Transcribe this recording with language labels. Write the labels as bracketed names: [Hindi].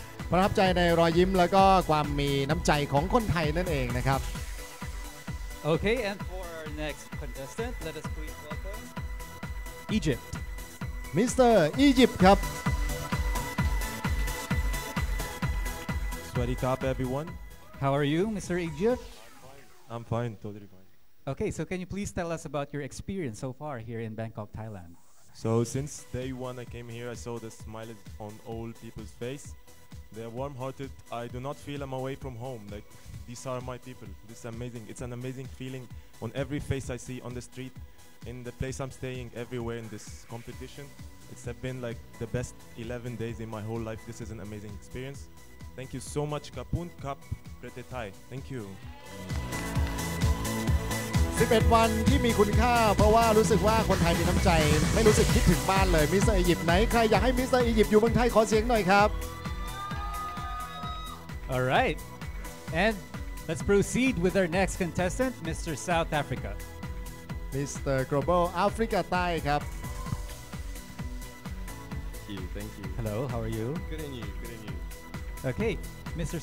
[Thai] ประทับใจในรอยยิ้มแล้วก็ความมีน้ำใจของคนไทยนั่นเองนะครับ [English] Okay, and for our next contestant, let us please welcome Egypt. [Thai] Mr. Egypt ครับ สวัสดีครับ [English] everyone. How are you, Mr. Egypt? I'm fine, totally fine. Okay, so can you please tell us about your experience so far here in Bangkok, Thailand? So since day one I came here, I saw the smiles on all people's face. They're warm-hearted. I do not feel I'm away from home. Like, these are my people. This is amazing. It's an amazing feeling on every face I see on the street, in the place I'm staying, everywhere in this competition. It's been like the best 11 days in my whole life. This is an amazing experience. Thank you so much, [Thai] Kapun Kap Prete Thai. [English] Thank you. [Thai] 11 วันที่มีคุณค่าเพราะว่ารู้สึกว่าคนไทยมีน้ำใจไม่รู้สึกคิดถึงบ้านเลยมิสเตอร์อียิปต์ไหนใครอยากให้มิสเตอร์อียิปต์อยู่เมืองไทยขอเสียงหน่อยครับ [English] All right, and let's proceed with our next contestant, Mr. South Africa. Mr. Global Africa Thai, [Thai] ครับ. [English] Thank you. Hello, how are you? Good and you. Okay, Mr.